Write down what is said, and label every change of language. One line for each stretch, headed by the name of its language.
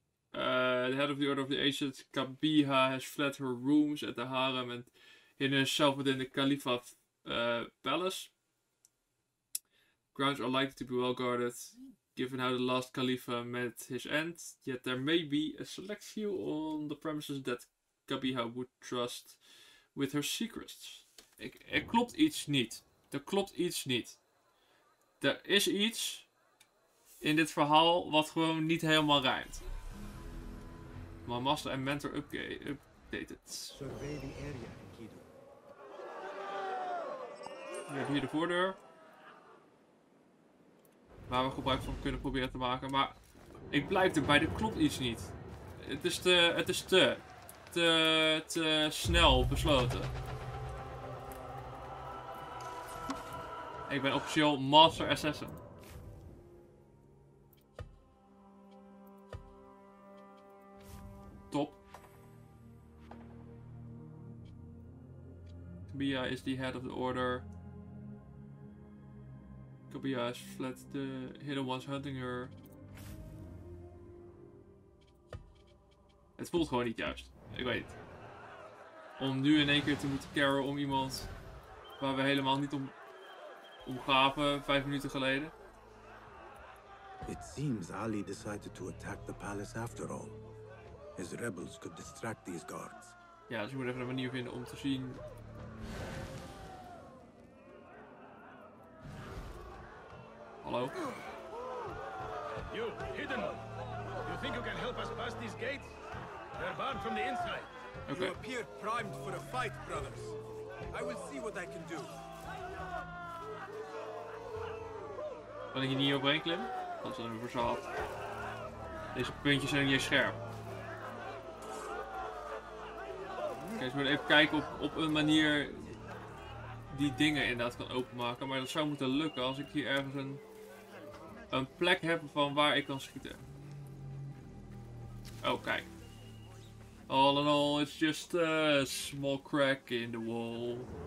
English: The head of the Order of the Ancient Kabiha has fled her rooms at the harem and hidden herself within the Khalifa palace. Grounds are likely to be well guarded, given how the last Khalifa met his end. Yet there may be a select few on the premises that Kabiha would trust with her secrets.
Dutch: Er klopt iets niet. Er klopt iets niet. Er is iets in dit verhaal wat gewoon niet helemaal rijmt.
English: My master and mentor updated. Survey the area, Kido.
Dutch: We hebben hier de voordeur. Waar we gebruik van kunnen proberen te maken. Maar ik blijf erbij, er klopt iets niet. Het is te snel besloten. Ik ben officieel Master Assassin. Top.
English: Kabiha is the head of the order. Kabiha has fled the hidden ones hunting her.
Dutch: Het voelt gewoon niet juist. Ik weet het. Om nu in één keer te moeten caren om iemand waar we helemaal niet om gaven 5 minuten geleden.
English: It seems Ali decided to attack the palace after all. His rebels could distract these guards.
Dutch: Ja, dus je moet even een manier vinden om te zien. Hallo?
English: You, hidden. You think you can help us pass these gates? They're barred from the inside. Okay. You appear primed for a fight, brothers. I will see what I can do.
Dutch: Kan ik hier niet overheen klimmen? Dat is dan een verzaal. Deze puntjes zijn niet scherp. Oké, dus we moeten even kijken op een manier die dingen inderdaad kan openmaken. Maar dat zou moeten lukken als ik hier ergens een plek heb van waar ik kan schieten. Oh, kijk.
English: All in all, it's just a small crack in the wall.